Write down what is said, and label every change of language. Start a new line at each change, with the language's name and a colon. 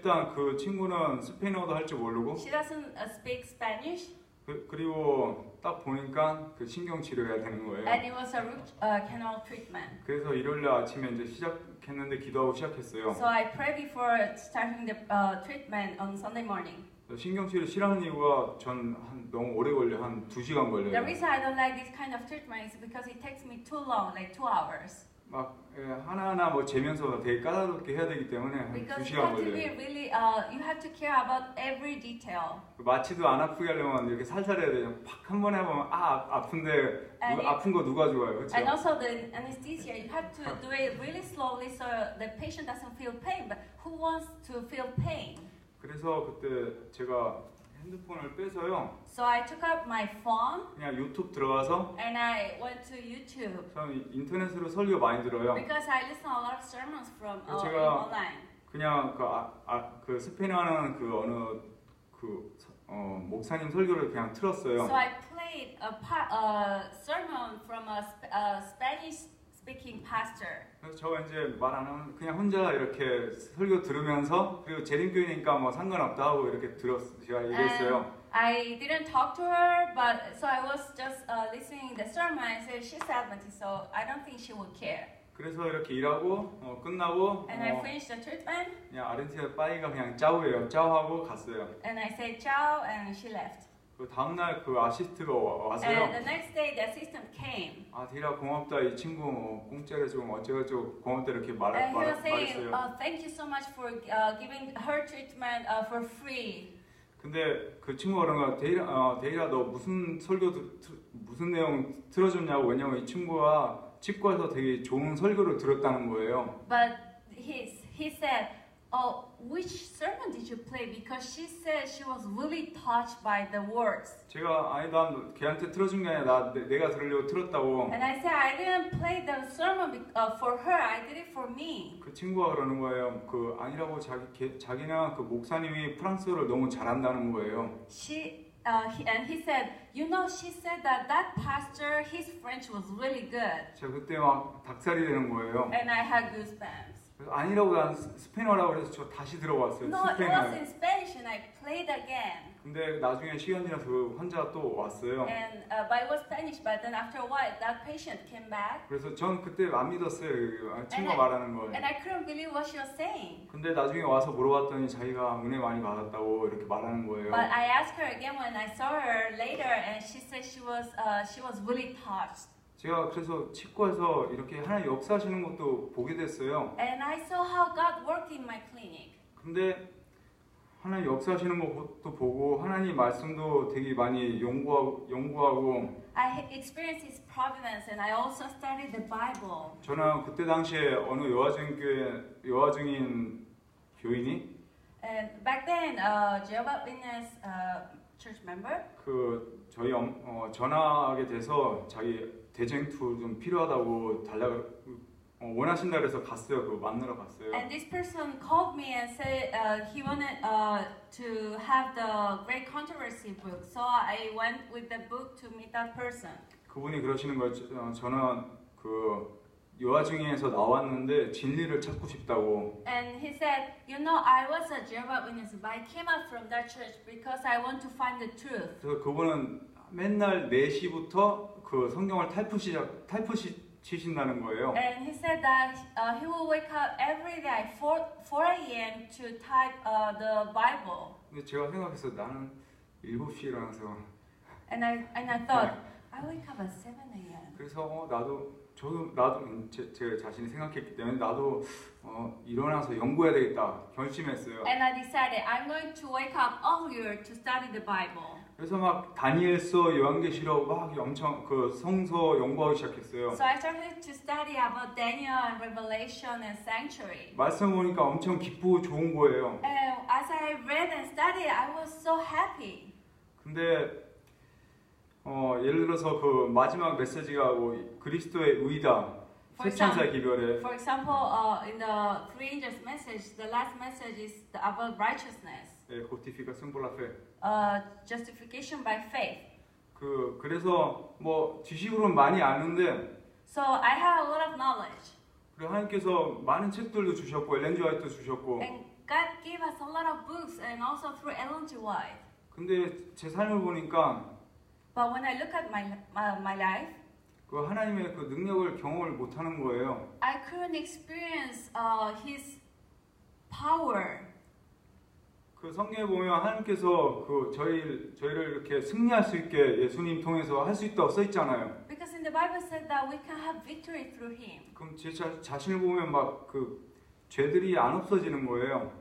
Korean: 일단 그 친구는 스페인어도 할 줄 모르고
English: She doesn't speak Spanish.
Korean: 그리고 딱 보니까 그 신경 치료해야 되는 거예요.
English: And it was a root canal treatment.
Korean: 그래서 일요일 아침에 이제 시작했는데 기도하고 시작했어요.
English: So I pray before starting the treatment on Sunday morning.
Korean: 신경 치료 싫어하는 이유가 전 너무 오래 걸려 한 2시간 걸려요.
English: The reason I don't like this kind of treatment is because it takes me too long, like 2 hours.
Korean: 막 하나하나 뭐 재면서 되게 까다롭게 해야 되기 때문에 한 2시간 걸려요.
English: Really, you have to care about every detail.
Korean: 마취도 안 아프게 하려면 이렇게 살살 해야 돼요. 팍 한 번에 하면 아 아픈데 아픈 거 누가 좋아요, 그렇죠?
English: And also the anesthesia, you have to do it really slowly so the patient doesn't feel pain. But who wants to feel pain?
Korean: 그래서 그때 제가 핸드폰을 빼서요.
English: So I took out my phone.
Korean: 그냥 유튜브 들어가서.
English: And I went to YouTube.
Korean: 저는 인터넷으로 설교 많이 들어요.
English: Because I listen a lot of sermons from online.
Korean: 그냥 그 스페인어는 그 어느 그 목사님 설교를 그냥 틀었어요.
English: So I played a sermon from a Spanish speaking pastor.
Korean: 그래서 저 이제 말 안 하면 그냥 혼자 이렇게 설교 들으면서 그리고 재림교회니까 뭐 상관없다 하고 이렇게 제가 얘기했어요.
English: I didn't talk to her, but so I was just listening to the sermon. I said she's Adventist, so I don't think she would care.
Korean: 그래서 이렇게 일하고 끝나고
English: And I finished the treatment.
Korean: 그냥 아르헨티나 빠이가 그냥 짜오예요. 짜오하고 갔어요.
English: And I said ciao and she left.
Korean: 그 다음 날 그 아시스트가 왔어요.
English: And the next day the assistant came.
Korean: 아, 디라 고맙다. 이 친구 공짜로 좀 어쩌고저쩌고 고맙다 이렇게 말했어요.
English: And he was saying, thank you so much for giving her treatment for free.
Korean: 근데 그 친구가 그런 거 데이라 데이라 너 무슨 설교 무슨 내용 들어줬냐고 왜냐면 이 친구가 치과에서 되게 좋은 설교를 들었다는 거예요.
English: But he said, "Oh, which sermon did you play? Because she said she was really touched by the words."
Korean: 제가 아니 난 걔한테 들어준 게 아니야 나 내가 들으려고 들었다고.
English: And I said I didn't play the sermon for her. I did it for me.
Korean: 그 친구가 그러는 거예요. 그 아니라고 자기나 그 목사님이 프랑스어를 너무 잘한다는 거예요.
English: And he said, "You know, she said that that pastor, his French was really good."
Korean: 제가 그때 막 닭살이 되는 거예요.
English: And I had goosebumps.
Korean: 아니라고 난 스페인어라고 그래서 저 다시 들어왔어요.
English: No, it was in Spanish, and I played again.
Korean: 근데 나중에 시간이라서 그 환자 또 왔어요.
English: And but it was Spanish. But then after a while, that patient came back.
Korean: 그래서 전 그때 안 믿었어요. 친구 말하는 거.
English: And I couldn't believe what she was saying.
Korean: 근데 나중에 와서 물어봤더니 자기가 은혜 많이 받았다고 이렇게 말하는 거예요.
English: But I asked her again when I saw her later, and she said she was really touched.
Korean: 제가 그래서 치과에서 이렇게 하나님 역사하시는 것도 보게 됐어요.
English: And I saw how God worked in my clinic.
Korean: 근데 하나님 역사하시는 것도 보고 하나님 말씀도 되게 많이 연구하고
English: I experienced his providence and I also studied the Bible.
Korean: 저는 그때 당시에 어느 여화증인 교인이
English: And back then Jehovah's Witness church member
Korean: 그 저희 전화하게 돼서 자기 대쟁투 좀 필요하다고 달라 원하신다 그래서 갔어요. 그 만나러 갔어요.
English: And this person called me and said he wanted to have the Great Controversy book. So I went with the book to meet that person.
Korean: 그분이 그러시는 거예요. 저는 그 여화증인에서 나왔는데 진리를 찾고 싶다고.
English: And he said, "You know, I was a Jehovah's Witness, but I came out from that church because I want to find the truth."
Korean: 그래서 그분은 맨날 4시부터 그 성경을 타이프 치신다는 거예요.
English: And he said that he will wake up every day at 4 a.m. to type the Bible.
Korean: 근데 제가 생각해서 나는 7시에 일어나서
English: And I thought I wake up at 7 a.m.
Korean: 그래서 저도 제 자신이 생각했기 때문에 나도 일어나서 연구해야 되겠다 결심했어요.
English: And I decided I'm going to wake up earlier to study the Bible.
Korean: 그래서 막 다니엘서, 요한계시록 막 엄청 그 성서 연구하기 시작했어요.
English: So I started to study about Daniel and Revelation and Sanctuary.
Korean: 말씀 보니까 엄청 기쁘고 좋은 거예요.
English: And as I read and studied, I was so happy.
Korean: 근데 예를 들어서 그 마지막 메시지가 뭐 그리스도의 의다. 세천사 기별에.
English: For example, in the three angels' message, the last message is about righteousness. 예, justification by faith. Justification by faith.
Korean: 그래서 뭐 지식으로는 많이 아는데.
English: So I have a lot of knowledge.
Korean: 그리고 하나님께서 많은 책들도 주셨고, 엘렌 G. 화이트도 주셨고.
English: And God gave us a lot of books, and also through Ellen G. White.
Korean: 근데 제 삶을 보니까.
English: But when I look at my life.
Korean: 그 하나님의 그 능력을 경험을 못하는 거예요.
English: I couldn't experience His power.
Korean: 그 성경에 보면 하나님께서 그 저희를 이렇게 승리할 수 있게 예수님 통해서 할 수 있다고 써 있잖아요.
English: Because in the Bible said that we can have victory through Him.
Korean: 그럼 제 자신을 보면 막 그 죄들이 안 없어지는 거예요.